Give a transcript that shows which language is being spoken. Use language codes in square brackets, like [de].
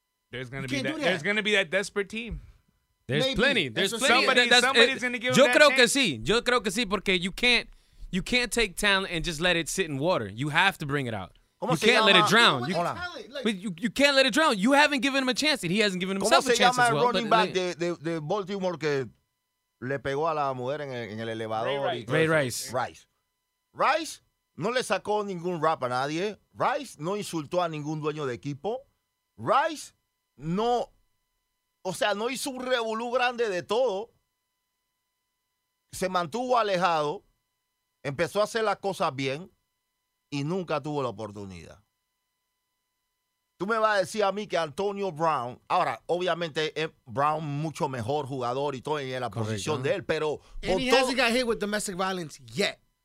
[en] There's going to be that. There's going to be that desperate team. There's maybe. Plenty. There's plenty. Somebody's going to give [es] yo [en] him [es] creo [en] that chance. [es] Que sí. Yo creo que sí, porque [en] you can't take talent and just let it sit in water. You have to bring it out. You can't let it drown. You can't let it drown. You haven't given him a chance, and he hasn't given himself a chance as well. [es] ¿Cómo se llama el running back de Baltimore que le pegó a la mujer en el elevador? Ray Rice. No le sacó ningún rap a nadie. Rice no insultó a ningún dueño de equipo. Rice no, o sea, no hizo un revolú grande de todo. Se mantuvo alejado. Empezó a hacer las cosas bien. Y nunca tuvo la oportunidad. Tú me vas a decir a mí que Antonio Brown, ahora, obviamente, Brown mucho mejor jugador y todo en la correcto. Posición de él, pero... [en] And he hasn't got hit with domestic violence yet.